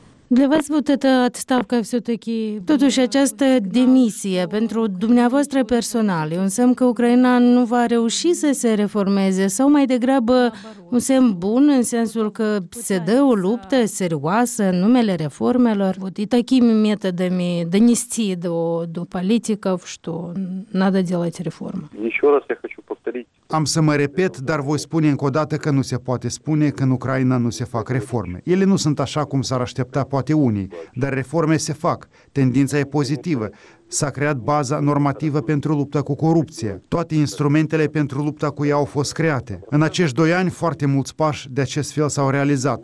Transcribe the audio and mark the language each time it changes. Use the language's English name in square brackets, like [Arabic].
[Russian] Для вас вот эта отставка все-таки... [Romanian] Totuși această demisie pentru dumneavoastră personal e un semn că Ucraina nu va reuși să se reformeze sau mai degrabă un semn bun în sensul că se dă o luptă serioasă în numele reformelor? [Russian] Вот и такими методами донести до политиков, что надо делать реформы. Еще раз я хочу повторить. [Romanian] Am să mă repet, dar voi spune încă o dată că nu se poate spune că în Ucraina nu se fac reforme. Ele nu sunt așa cum s-ar aștepta poate unii, dar reforme se fac. Tendința e pozitivă. S-a creat baza normativă pentru lupta cu corupție. Toate instrumentele pentru lupta cu ea au fost create. În acești 2 ani, foarte mulți pași de acest fel s-au realizat.